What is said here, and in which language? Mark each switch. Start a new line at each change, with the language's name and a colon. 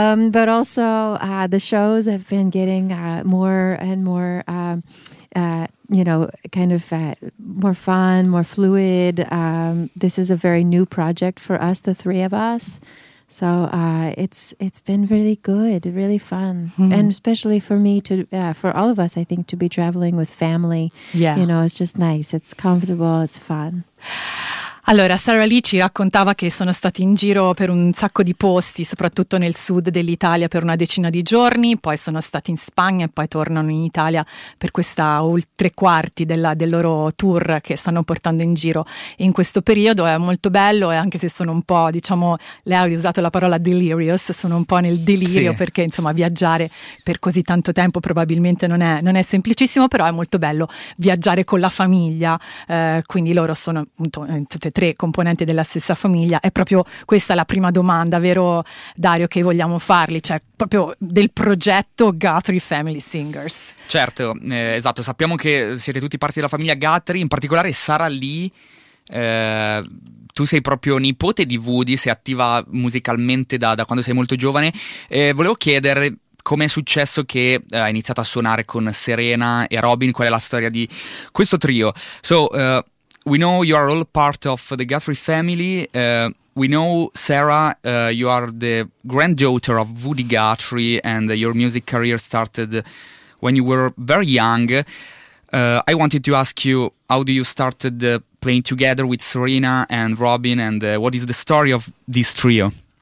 English: but also, the shows have been getting more and more more fun, more fluid. This is a very new project for us, the three of us. So it's been really good, really fun. Mm-hmm. And especially for me to, for all of us, I think, to be traveling with family. Yeah. You know, it's just nice. It's comfortable. It's fun.
Italian: Allora, Sarah Lee ci raccontava che sono stati in giro per un sacco di posti, soprattutto nel sud dell'Italia per una decina di giorni, poi sono stati in Spagna e poi tornano in Italia per questa oltre quarti del loro tour che stanno portando in giro in questo periodo. È molto bello, e anche se sono un po', diciamo, lei ha usato la parola delirious, sono un po' nel delirio, sì, perché insomma viaggiare per così tanto tempo probabilmente non è semplicissimo, però è molto bello viaggiare con la famiglia, quindi loro sono appunto tre componenti della stessa famiglia. È proprio questa la prima domanda, vero Dario, che vogliamo farli, cioè proprio del progetto Guthrie Family Singers. Certo, esatto, sappiamo che siete tutti parte della famiglia Guthrie, in particolare Sarah Lee, tu sei proprio nipote di Woody, sei attiva musicalmente da quando sei molto giovane. Volevo chiedere come è successo che hai iniziato a suonare con Serena e Robin, qual è la storia di questo trio.
English: We know you are all part of the Guthrie family. We know, Sarah, you are the granddaughter of Woody Guthrie, and your music career started when you were very young. I wanted to ask you, how do you started playing together with Serena and Robin, and what is the story of this trio?